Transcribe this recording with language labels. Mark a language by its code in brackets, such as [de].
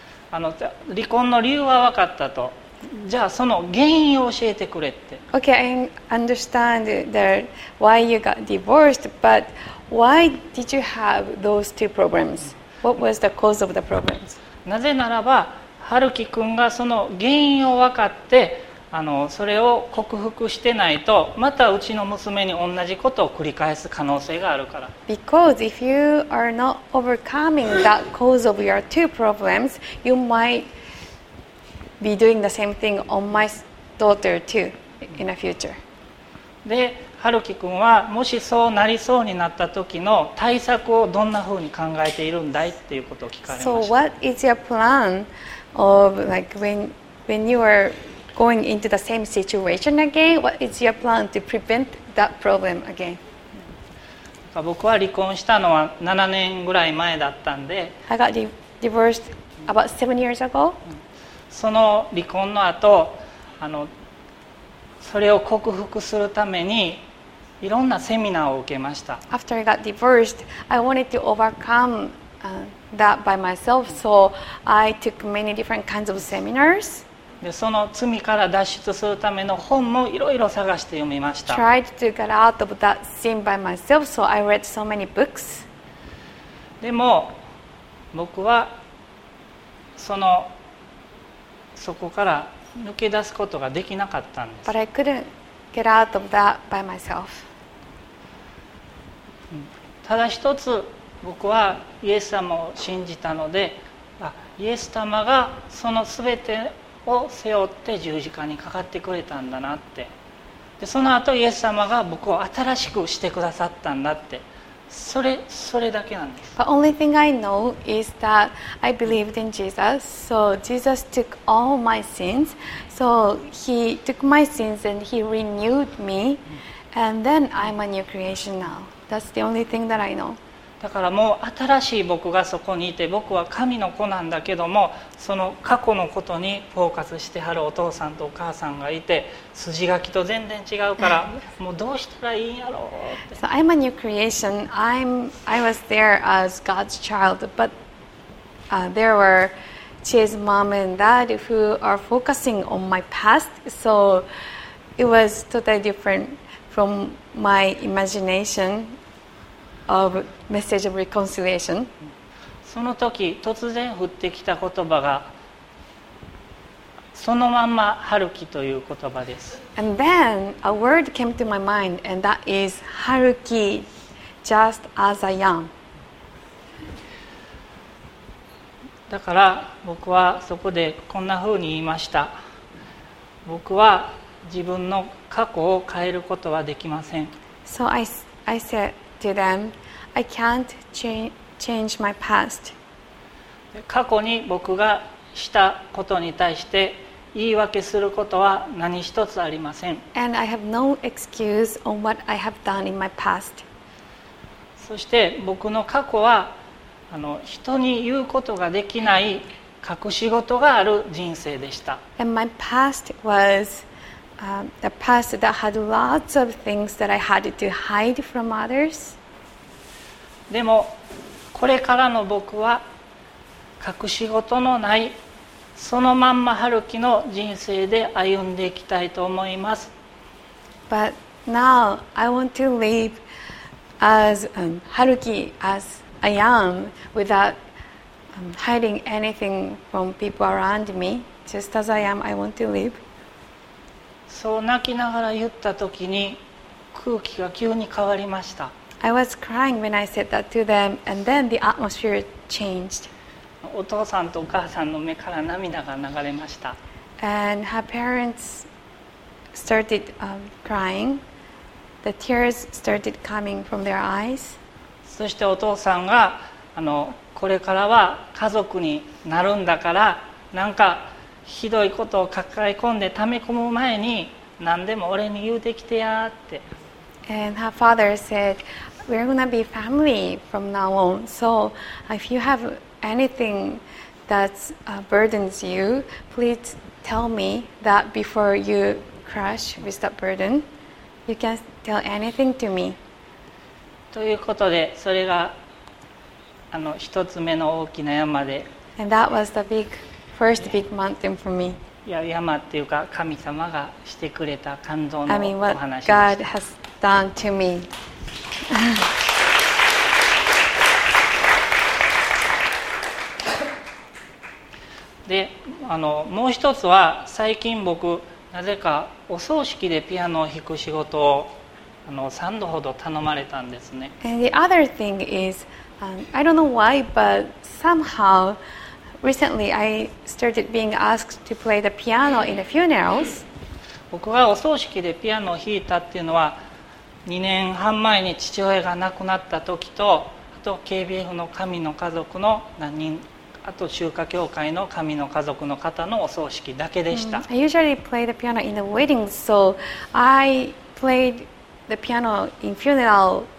[ja] 離婚の理由は分かったと。じゃあその原因を教えてくれって。 [en] Okay, I understand why you got divorced, but why did you have those two problems? What was the cause of the problems? [ja] なぜならば、春樹くんがその原因を分かって、それを克服してないと、またうちの娘に同じことを繰り返す可能性があるから。 [en] Because if you are not overcoming that cause of your two problems, you might be doing the same thing on my daughter too in the future. [ja] で、春樹くんはもしそうなりそうになった時の対策をどんな風に考えているんだいっていうことを聞かれました。 [en] So what is your plan of like when you are going into the same situation again? What is your plan to prevent that problem again? [ja] 僕は離婚したのは7年ぐらい前だったんで。 [en] I got divorced about 7 years ago. [ja] その離婚の後それを克服するためにいろんなセミナーを受けました。 [en] After I got divorced, I wanted to overcome that by myself, so I took many different kinds of seminars. [ja] で、その罪から脱出するための本もいろいろ探して読みました。 [en] Tried to get out of that sin by myself, so I read so many books. [ja] でも僕はそこから抜け出すことができなかったんです。 [en] But I couldn't get out of that by myself. [ja] ただ一つ僕はイエス様を信じたので、イエス様がそのすべてを背負って十字架にかかってくれたんだなって。で、その後イエス様が僕を新しくしてくださったんだって。それだけなんです。 [en] The only thing I know is that I believed in Jesus. So Jesus took all my sins. So he took my sins and he renewed me. And then I'm a new creation now. That's the only thing that I know. [ja] だからもう新しい僕がそこにいて、僕は神の子なんだけども、その過去のことにフォーカスしてはるお父さんとお母さんがいて、筋書きと全然違うから、もうどうしたらいいんやろうって。 [en] So I'm a new creation. I was there as God's child, but there were Chie's mom and dad who are focusing on my past. So it was totally different from my imagination. Of message of reconciliation. [ja] その時突然降ってきた言葉がそのまんま春樹という言葉です。 [en] And then a word came to my mind and that is 春樹 just as I am. [ja] だから僕はそこでこんなふうに言いました。僕は自分の過去を変えることはできません。 [en] So I said to them, I can't change my past. [ja] 過去に僕がしたことに対して言い訳することは何一つありません。 [en] And I have no excuse on what I have done in my past. [ja] そして僕の過去は人に言うことができない隠し事がある人生でした。 [en] And my past was a past that had lots of things that I had to hide from others. [ja] でもこれからの僕は隠し事のないそのまんま春樹の人生で歩んでいきたいと思います。 [en] But now I want to live as Haruki as I am without hiding anything from people around me, just as I am, I want to live. [ja] そう泣きながら言った時に空気が急に変わりました。 [en] I was crying when I said that to them, and then the atmosphere changed. [ja] お父さんとお母さんの目から涙が流れました。 [en] And her parents started crying. The tears started coming from their eyes. [ja] そしてお父さんがこれからは家族になるんだから、なんかひどいことを抱え込んで溜め込む前に何でも俺に言うてきてやって。 [en] And her father said, we're gonna be family from now on, so if you have anything that burdens you, please tell me that before you crash with that burden. You can tell anything to me. [ja] ということで、それが一つ目の大きな山で。 [en] And that was the big, first big mountain for me. [ja] いや、山っていうか神様がしてくれた感動のお話でした。 [en] I mean, what God has done to me. [ja] で、もう一つは最近僕なぜかお葬式でピアノを弾く仕事を3度ほど頼まれたんですね。 [en] And the other thing is,I don't know why, but somehow recently I started being asked to play the piano in the funerals. [ja] 僕がお葬式でピアノを弾いたっていうのは2年半前に父親が亡くなった時と、あと KBF の神の家族の何人、あと中華教会の神の家族の方のお葬式だけでした。 [en] I usually play the piano in the weddings, so I played the piano in funeral.